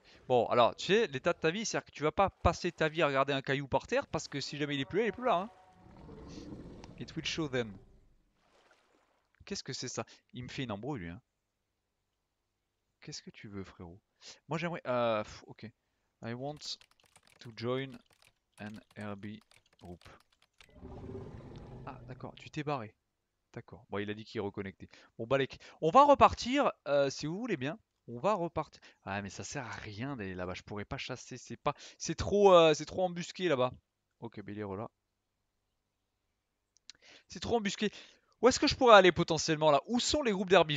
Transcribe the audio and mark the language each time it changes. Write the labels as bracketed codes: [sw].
[fr] Bon, alors, tu sais, l'état de ta vie, c'est-à-dire que tu vas pas passer ta vie à regarder un caillou par terre, parce que si jamais il est plus là, il est plus là, hein. [en] It will show them. [fr] Qu'est-ce que c'est ça? Il me fait une embrouille, lui, hein. Qu'est-ce que tu veux, frérot? Moi, j'aimerais... ok. [en] I want to join an RB group. [fr] Ah, d'accord, tu t'es barré. D'accord. Bon, il a dit qu'il est reconnecté. Bon, Balek, on va repartir, si vous voulez bien. On va repartir. Ah, mais ça sert à rien d'aller là-bas. Je pourrais pas chasser. C'est pas... c'est trop embusqué là-bas. Ok, Béliéro là. C'est trop embusqué. Où est-ce que je pourrais aller potentiellement là? Où sont les groupes d'herbie?